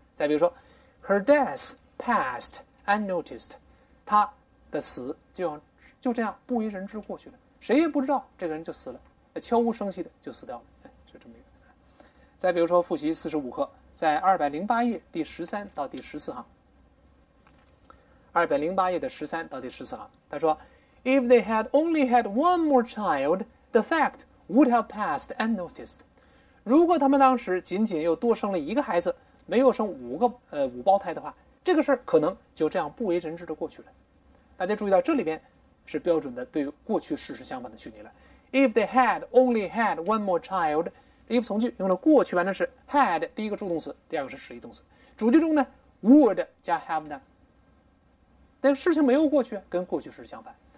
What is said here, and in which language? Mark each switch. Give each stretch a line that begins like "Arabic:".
Chinese: 再比如说
English: Her death passed unnoticed，
Chinese: 他的死就这样不为人知过去了，谁也不知道这个人就死了，悄无声息的就死掉了，就这么一个。再比如说复习四十五课，在208页第十三到第十四行。 208页的十三到第十四行，他说
English: ：“If they had only had one more child, the fact would have passed unnoticed。”
Chinese: 如果他们当时仅仅又多生了一个孩子，没有生五胞胎的话，这个事儿可能就这样不为人知的过去了。大家注意到这里边是标准的对过去事实相反的虚拟了。
English: If they had only had one more child，
Chinese: if 从句用了过去完成时 had 第一个助动词，第二个是实义动词，主句中呢
English: would 加 have done，
Chinese: 但事情没有过去，跟过去式相反。